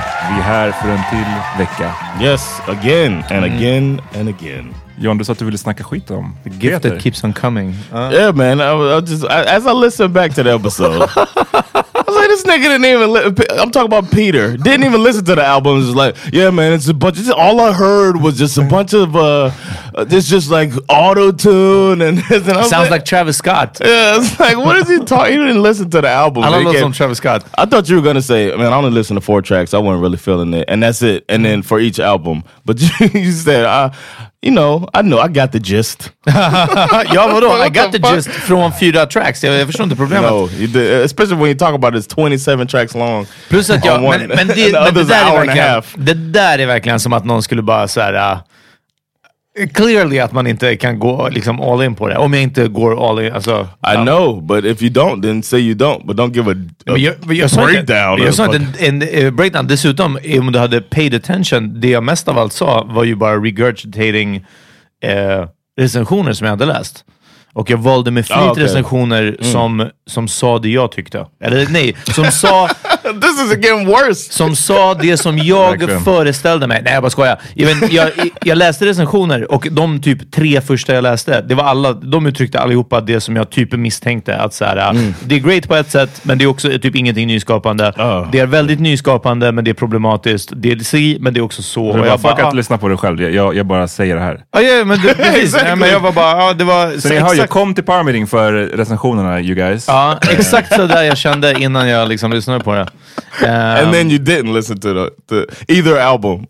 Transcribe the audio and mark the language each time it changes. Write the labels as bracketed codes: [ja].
[sv] Vi är här för en till vecka. [en] Yes, again and again and again. [sv] John, du sa att du ville snacka skit om [en] The gift Peter. That keeps on coming. Yeah man, as I listen back to the episode, I was like, this nigga didn't even I'm talking about Peter, didn't even listen to the album. It's like, yeah man, it's a bunch of, all I heard was just a bunch of this just like auto-tune and this. And sounds like Travis Scott. Yeah, it's like, what is he talking? He didn't listen to the album. I don't know some Travis Scott. I thought you were gonna say, man, I only listened to 4 tracks, I wasn't really feeling it, and that's it. And then for each album. But you said, you know, I know, I got the gist. Y'all know, I got the gist from a few tracks. [sv] Jag förstår inte problemet. [en] No, especially when you talk about it, it's 27 tracks long. [sv] Plus att jag, men det, men det där är verkligen, det där är verkligen som att någon skulle bara så här, clearly att man inte kan gå liksom all in på det. Om jag inte går all in, alltså. [en] I know, but if you don't, then say you don't. But don't give a breakdown. [sv] Jag sa inte en breakdown. Dessutom, om du hade [en] paid attention, [sv] det jag mest av allt sa var ju bara regurgitating recensioner som jag hade läst. Och jag valde med flit recensioner som sa det jag tyckte. Eller nej, som sa... [en] This is getting worse. [sv] Som sa det som jag föreställde mig. Nej, jag bara skojar. Jag läste recensioner och de typ 3 första jag läste, det var alla, de uttryckte allihopa det som jag typ misstänkte. Att så här, det är great på ett sätt, men det är också typ ingenting nyskapande. Oh. Det är väldigt nyskapande, men det är problematiskt. Det är si, men det är också så. Du bara, fuck att lyssna på dig själv. Jag bara säger det här. Ja, yeah, men du, precis. Exactly. Nej, men jag var bara, det var... Jag kom till Power Meeting för recensionerna, [en] you guys. [sv] Ja, exakt så där jag kände innan jag liksom lyssnade på det. [en] And then you didn't listen to either album.